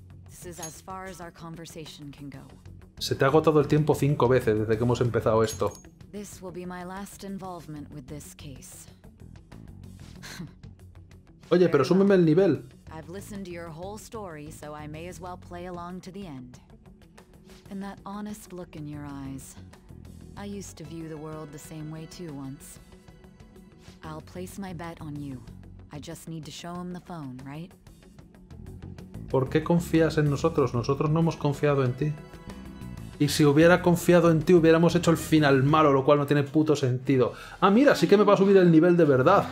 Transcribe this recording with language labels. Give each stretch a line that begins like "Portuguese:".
English: This is as far as our conversation can go.
Spanish: Se te ha agotado el tiempo 5 veces desde que hemos empezado esto.
English: This will be my last involvement with this case.
Spanish: Oye, pero súmeme el nivel.
English: I've listened to your whole story, so I may as well play along to the end. And that honest look in your eyes. I used to view the world the same way too once. I'll place my bet on you. I just need to show him the phone, right?
Spanish: ¿Por qué confías en nosotros? Nosotros no hemos confiado en ti. Y si hubiera confiado en ti, hubiéramos hecho el final malo, lo cual no tiene puto sentido. Ah, mira, sí que me va a subir el nivel de verdad.